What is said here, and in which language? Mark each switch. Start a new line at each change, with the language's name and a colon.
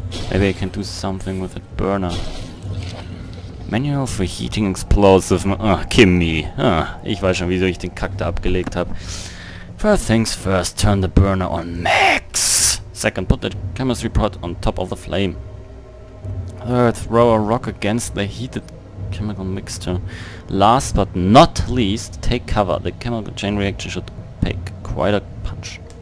English: Maybe I can do something with that burner. Manual for heating explosive. Ach, Kimmy.
German: Ah, ich weiß schon, wieso ich den Kack da abgelegt habe.
English: First things first, turn the burner on max. Second, put the chemistry pot on top of the flame. Third, throw a rock against the heated chemical mixture. Last but not least, take cover. The chemical chain reaction should take quite a punch.